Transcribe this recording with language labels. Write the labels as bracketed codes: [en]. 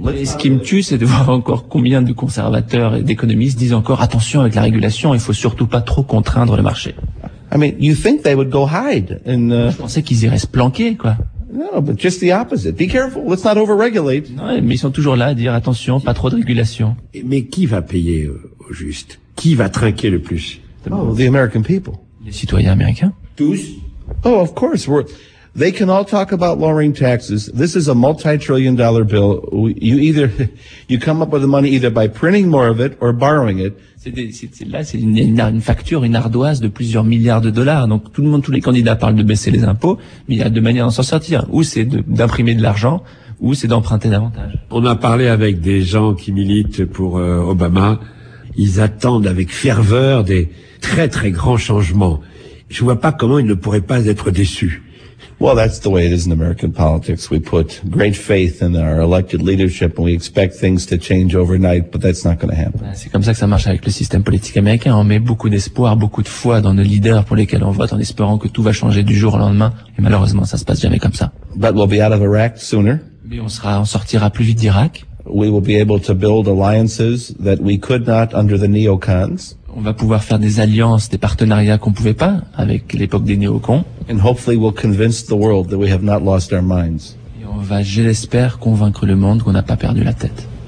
[fr] Et ce qui me tue, c'est de voir encore combien de conservateurs et d'économistes disent encore, attention avec la régulation, il faut surtout pas trop contraindre le marché. [en] I mean, you think they would go hide. [fr] Je pensais qu'ils iraient se planquer, quoi. [en] No, but just the opposite. Be careful, let's not over-regulate. [fr] Non, mais ils sont toujours là à dire, attention, pas trop de régulation. Mais qui va payer au juste? Qui va trinquer le plus? [en] Oh, the American people. [fr] Les citoyens américains. Tous. [en] Oh, of course. They can all talk about lowering taxes. This is a multi-trillion dollar bill. You come up with the money either by printing more of it or borrowing it. [fr] C'est une facture, une ardoise de plusieurs milliards de dollars. Donc tous les candidats parlent de baisser les impôts, mais il y a deux manières d'en s'en sortir. Ou c'est d'imprimer de l'argent, ou c'est d'emprunter davantage. On a parlé avec des gens qui militent pour Obama. Ils attendent avec ferveur des très très grands changements. Je ne vois pas comment ils ne pourraient pas être déçus. [en] Well, that's the way it is in American politics. We put great faith in our elected leadership and we expect things to change overnight, but that's not going to happen. [fr] C'est comme ça que ça marche avec le système politique américain. On met beaucoup d'espoir, beaucoup de foi dans nos leaders pour lesquels on vote en espérant que tout va changer du jour au lendemain. Et malheureusement, ça se passe jamais comme ça. [en] But we'll be out of Iraq sooner. [fr] Mais on sortira plus vite d'Irak. [en] We will be able to build alliances that we could not under the neocons. [fr] On va pouvoir faire des alliances, des partenariats qu'on pouvait pas avec l'époque des néocons. [en] And hopefully we'll convince the world that we have not lost our minds. [fr] Et on va, je l'espère, convaincre le monde qu'on n'a pas perdu la tête.